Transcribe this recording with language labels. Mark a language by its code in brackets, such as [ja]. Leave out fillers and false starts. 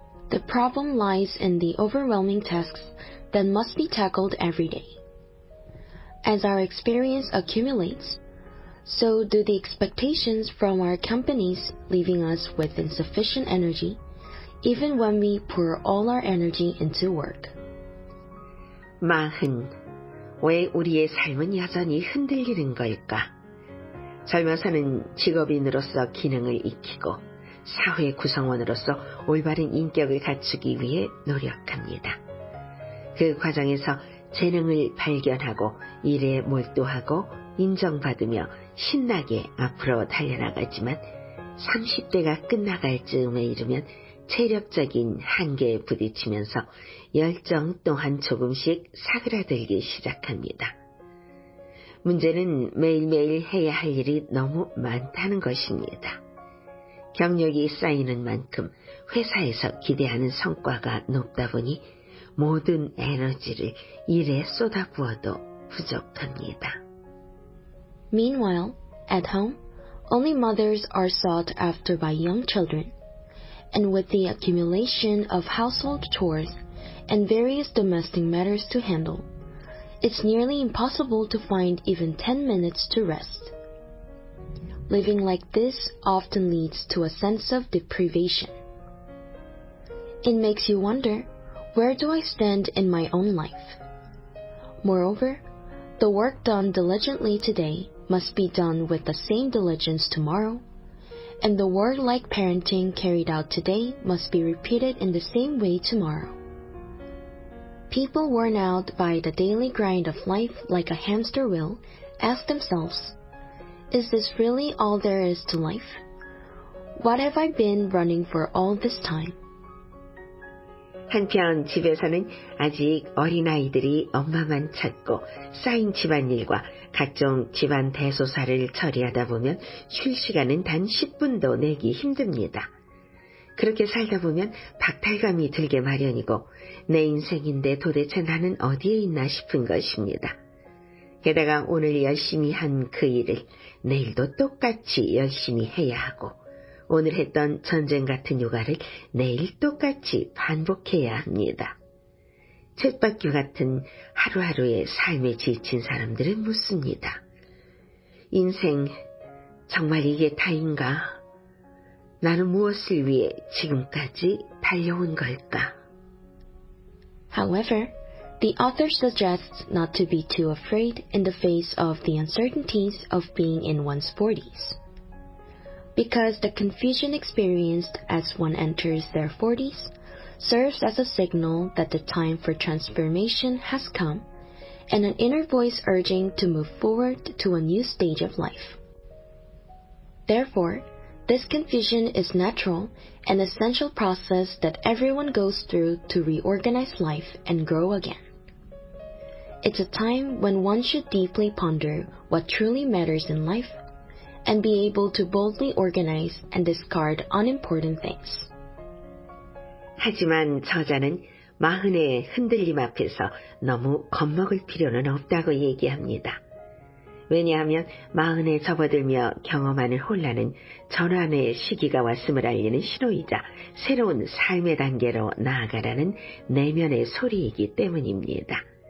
[en] The problem lies in the overwhelming tasks that must be tackled every day. As our experience accumulates, so do the expectations from our companies, leaving us with insufficient energy, even when we pour all our energy into work. [ko] 마흔, 왜 우리의 삶은 여전히 흔들리는 걸까? 젊어서는 직업인으로서 기능을 익히고, 사회 구성원으로서 올바른 인격을 갖추기 위해 노력합니다. 그 과정에서 재능을 발견하고 일에 몰두하고 인정받으며 신나게 앞으로 달려나가지만 30대가 끝나갈 즈음에 이르면 체력적인 한계에 부딪히면서 열정 또한 조금씩 사그라들기 시작합니다. 문제는 매일매일 해야 할 일이 너무 많다는 것입니다. 경력이 쌓이는 만큼 회사에서 기대하는 성과가 높다 보니 모든 에너지를 일에 쏟아부어도 부족합니다. [en] Meanwhile, at home, only mothers are sought after by young children, and with the accumulation of household chores and various domestic matters to handle, it's nearly impossible to find even 10 minutes to rest. Living like this often leads to a sense of deprivation. It makes you wonder, where do I stand in my own life? Moreover, the work done diligently today must be done with the same diligence tomorrow, and the work like parenting carried out today must be repeated in the same way tomorrow. People worn out by the daily grind of life like a hamster wheel ask themselves, Is this really all there is to life? What have I been running for all this time? [ko] 한편 집에서는 아직 어린아이들이 엄마만 찾고 쌓인 집안일과 각종 집안 대소사를 처리하다 보면 쉴 시간은 단 10분도 내기 힘듭니다. 그렇게 살다 보면 박탈감이 들게 마련이고 내 인생인데 도대체 나는 어디에 있나 싶은 것입니다. 게다가 오늘 열심히 한 그 일을 내일도 똑같이 열심히 해야 하고 오늘 했던 전쟁 같은 육아를 내일 똑같이 반복해야 합니다. 쳇바퀴 같은 하루하루의 삶에 지친 사람들은 묻습니다. 인생 정말 이게 다인가? 나는 무엇을 위해 지금까지 달려온 걸까? [en] However, the author suggests not to be too afraid in the face of the uncertainties of being in one's 40s. Because the confusion experienced as one enters their 40s serves as a signal that the time for transformation has come and an inner voice urging to move forward to a new stage of life. Therefore, this confusion is natural, an essential process that everyone goes through to reorganize life and grow again. It's a time when one should deeply ponder what truly matters in life and be able to boldly organize and discard unimportant things. [ko] 하지만 저자는 마흔의 흔들림 앞에서 너무 겁먹을 필요는 없다고 얘기합니다. 왜냐하면 마흔에 접어들며 경험하는 혼란은 전환의 시기가 왔음을 알리는 신호이자 새로운 삶의 단계로 나아가라는 내면의 소리이기 때문입니다.